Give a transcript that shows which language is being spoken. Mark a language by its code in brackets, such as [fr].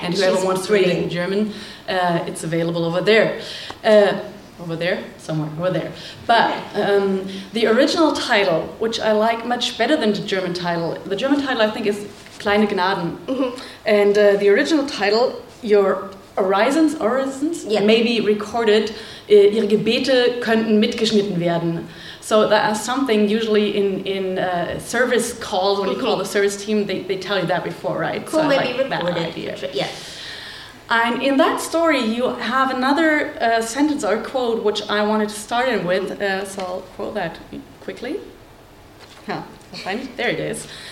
[en] and whoever wants to read it in German, it's available over there. Over there? Somewhere over there. But the original title, which I like much better than the German title I think is Kleine Gnaden. Mm-hmm. And the original title, Your Orisons, yeah, may be recorded, [de] Ihre Gebete könnten mitgeschnitten werden. [en] So that is something usually in service calls, when mm-hmm. you call the service team, they tell you that before, right? Cool, so maybe I like recorded. That idea. Yeah. And in that story, you have another sentence or quote which I wanted to start in with, so I'll quote that quickly. Huh. There it is.